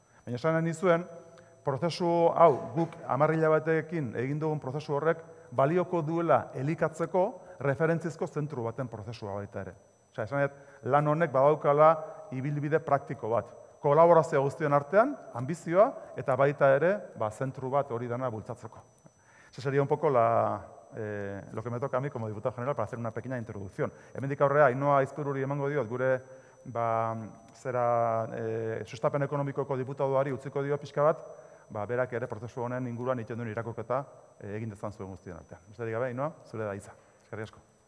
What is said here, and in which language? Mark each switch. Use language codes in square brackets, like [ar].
[eu] Baina esan nahi nizuen, prozesu hau guk 10 hilabetekin egin dugun prozesu horrek, balioko duela elikatzeko referentzizko zentru baten prozesua baita ere. Osea, esan nahi, lan honek badaukala ibilbide praktiko bat. Kolaborazio guztien artean, ambizioa, eta baita ere, ba, zentru bat hori dana bultzatzeko. [es] Ese sería un poco lo que me toca a mí como diputado general para hacer una pequeña introducción. [eu] Hemendik aurrera, Ainhoa Aizpururi emango diot, gure ba, zera sustapen ekonomikoko diputatuari utziko dio pixka bat, ba, berak ere prozesu honen inguruan itxendun irakoketa egin dezan zuen guztien artean. Besterik gabe, Ainhoa, zure da hitza. Eskerrik asko.